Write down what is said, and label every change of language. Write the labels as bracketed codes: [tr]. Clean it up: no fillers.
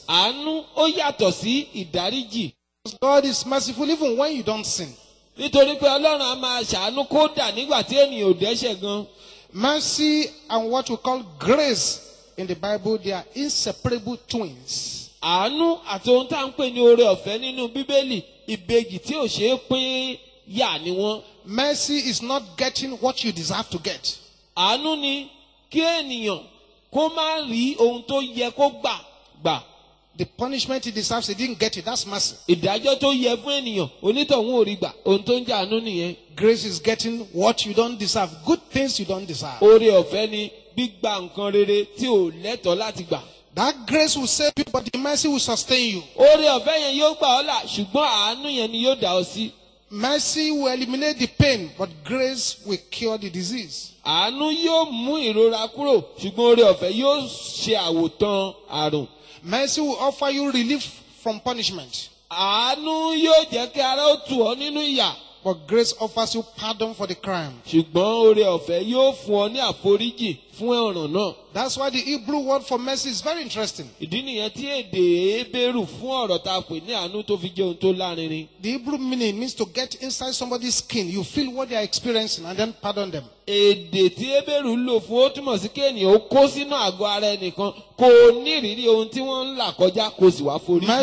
[yo] Àánú ó yàtọ̀ sí ìdáríjì. [en] God is merciful even when you don't sin. [yo] Nítorí pé Ọlọ́run a máa ṣàánú kódà nígbà tí ènìyàn ò dẹ́ṣẹ̀ gan. [en] Mercy and what we call grace in the Bible, they are inseparable twins. [yo] Àánú àti ohun tá à ń pè ní oore ọ̀fẹ́ nínú Bíbélì, ìbejì tí ò ṣe é pé yà ni wọ́n. [en] Mercy is not getting what you deserve to get. [yo] Àánú ni kí ènìyàn kó má rí ohun tó yẹ kó gbà. [en] The punishment he deserves, he didn't get it, that's mercy. [yo] Ìdájọ́ tó yẹ fún ènìyàn, onítọ̀hún ò rí gbà, ohun tó ń jẹ àánú nìyẹn. [en] Grace is getting what you don't deserve, good things you don't deserve. [yo] Oore ọ̀fẹ́ ni gbígba nǹkan rere tí ò lẹ́tọ̀ọ́ láti gbà. [en] That grace will save you, but the mercy will sustain you. [yo] Oore ọ̀fẹ́ yẹn yóò gbà ọ́ là, ṣùgbọ́n àánú yẹn ni yóò dà ọ́ sí. [en] Mercy will eliminate the pain, but grace will cure the disease. [yo] Àánú yóò mú ìrora kúrò, ṣùgbọ́n oore ọ̀fẹ́ yóò ṣe àwòtán àrùn. [en] Mercy will offer you relief from punishment. [yo] Àánú yóò jẹ́ kí ara ó tù ọ́ nínú ìyà. [en] But grace offers you pardon for the crime. [yo] Ṣùgbọ́n oore ọ̀fẹ́ yóò fún ọ ní àforíjì fún ọ̀ràn náà. [en] That's why the Hebrew word for mercy is very interesting. [yo] Ìdí nìyẹn tí èdè Hebrew fún ọ̀rọ̀ ta pè ní àánú tó fi jẹun tó lárinrin. [en] The Hebrew meaning means to get inside somebody's skin. You feel what they are experiencing and then pardon them. [yo] Èdè tí Hebrew lò fún ó túmọ̀ sí kéèní ó kó sínú àgọ́ ara ẹnìkan kò nírìírí ohun tí wọ́n ń là kọjá kò sì wá foríjì